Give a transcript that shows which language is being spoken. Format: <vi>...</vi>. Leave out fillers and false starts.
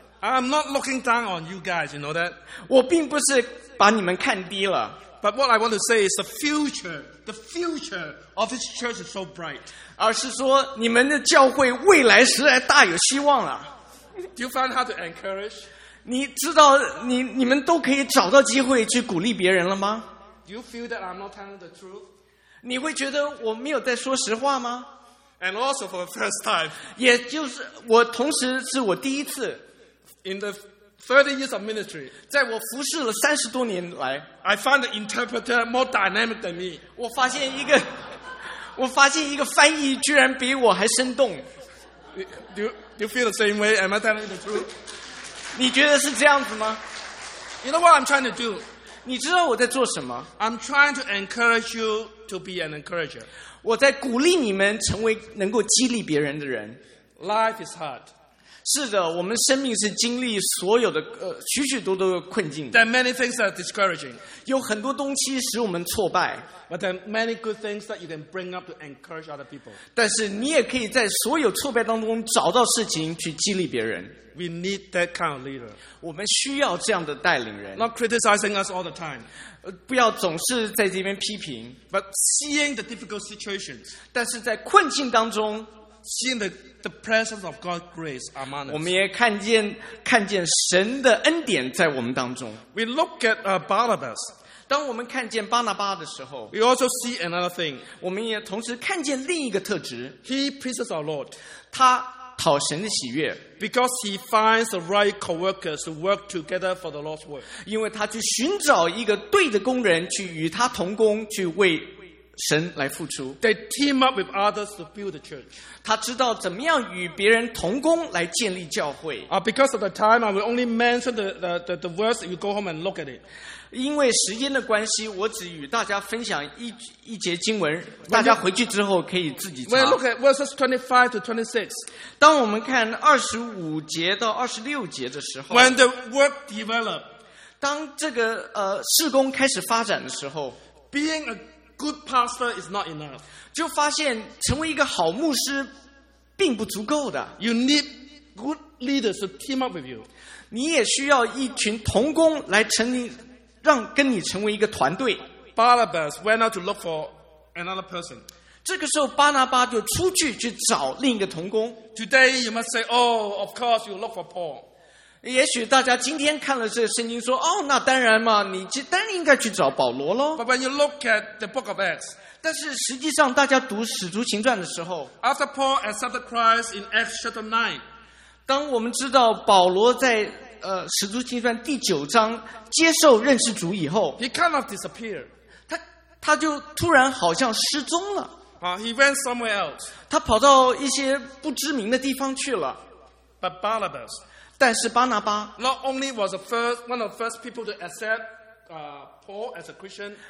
<en>I'm not looking down on you guys, you know that.</en> <zh>我并不是把你们看低了。</zh> <en>But what I want to say is the future of this church is so bright.</en> <zh>而是说你们的教会未来实在大有希望了。</zh> <en>Do you find how to encourage?</en> <zh>你知道你们都可以找到机会去鼓励别人了吗？</zh> <en>Do you feel that I'm not telling the truth?</en> <zh>你会觉得我没有在说实话吗？</zh> <en>And also for the first time.</en> <zh>也就是我同时是我第一次。</zh> <en>In the 30 years of ministry.</en> <zh>在我服侍了30多年来</zh> <en>I find the interpreter more dynamic than me.</en> <zh>我发现一个翻译居然比我还生动。</zh> <en>Do you feel the same way? Am I telling you the truth?</en> <zh>你觉得是这样子吗？</zh> <en>You know what I'm trying to do?</en> <zh>你知道我在做什么？</zh> <en>I'm trying to encourage you to be an encourager.</en> <zh>我在鼓励你们成为能够激励别人的人。</zh> <en>Life is hard.</en> <zh>是的，我们生命是经历所有的许许多多的困境的。</zh> <en>There are many things that are discouraging.</en> <zh>有很多东西使我们挫败。</zh> <en>But there are many good things that you can bring up to encourage other people.</en> <zh>但是你也可以在所有挫败当中找到事情去激励别人。</zh> <en>We need that kind of leader.</en> <zh>我们需要这样的带领人。</zh> <en>Not criticizing us all the time.</en> <zh>不要总是在这边批评。</zh> <en>But seeing the difficult situations.</en> <zh>但是在困境当中</zh> <en>seeing the presence of God's grace among us.</en> <zh>我们也看见神的恩典在我们当中。</zh> <en>We look at Barnabas.</en> <zh>当我们看见巴拿巴的时候，</zh> <en>we also see another thing.</en> <zh>我们也同时看见另一个特质。</zh> <en>He pleases our Lord.</en> <zh>他讨神的喜悦。</zh> <en>Because he finds the right co-workers to work together for the Lord's work.</en> <zh>因为他去寻找一个对的工人去与他同工去为神来付出。</zh> <en>They team up with others to build the church.</en> <zh>他知道怎么样与别人同工来建立教会。</zh> <en>Because of the time, I will only mention the verse. You go home and look at it.</en> <zh>因为时间的关系，我只与大家分享一节经文。大家回去之后可以自己查。</zh> <en>When you look at verses 25 to 26,</en> <zh>当我们看25节到26节的时候</zh> <en>，When the work develop,</en> <zh>当这个事工开始发展的时候</zh> <en>，Being aGood pastor is not enough.</en> <zh>就发现成为一个好牧师并不足够的。</zh> <en>You need good leaders to team up with you.</en> <zh>你也需要一群同工来跟你成为一个团队。</zh> <en>Barnabas went out to look for another person.</en> <zh>这个时候巴拿巴就出去去找另一个同工。</zh> <en>Today you must say, oh, of course you look for Paul.</en> <zh>也许大家今天看了这个圣经说哦，那当然嘛，你当然应该去找保罗咯。</zh> <en>But when you look at the book of Acts,</en> <zh>但是实际上大家读使徒行传的时候</zh> <en>After Paul accepted Christ in Acts chapter 9,</en> <zh>当我们知道保罗在使徒行传第九章接受认识主以后</zh> <en>He kind of disappeared.</en> <zh>他就突然好像失踪了。</zh> <en>He went somewhere else.</en> <zh>他跑到一些不知名的地方去了。</zh> <en>But Barnabas,</en> <zh>但是巴拿巴</zh> <en>not only was the first one of the first people to accept Paul as a Christian,</en>